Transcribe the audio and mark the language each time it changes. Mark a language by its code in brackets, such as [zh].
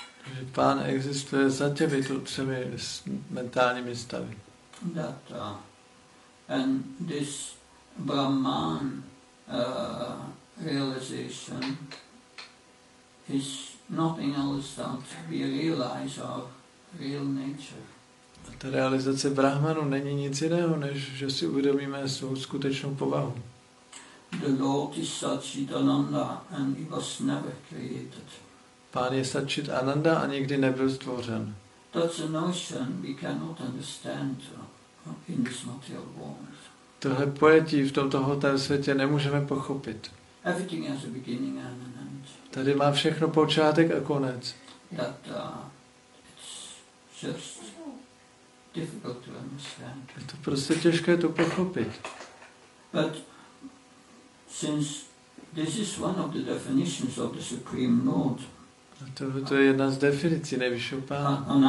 [cs] Že Pán existuje za těmito třemi mentálními stavy. [en] And this Brahman realization is nothing else than we realize our real nature. [cs] A ta realizace Brahmanu není nic jiného, než že si uvědomíme svou skutečnou povahu. [en] The Lord is Satchitananda and he was never created. [cs] Pán je Satchit Ananda a nikdy nebyl stvořen. [en] That's a notion we cannot understand in this material world. [cs] Tohle pojetí v tomto hmotném světě nemůžeme pochopit. [en] Everything has a beginning and an end. [cs] Tady má všechno počátek a konec. [en] That it's just difficult to understand. [cs] Je to prostě těžké to pochopit. [en] But since this is one of the definitions of the Supreme Lord. [cs] A to je jedna z definicí nejvyššího pána.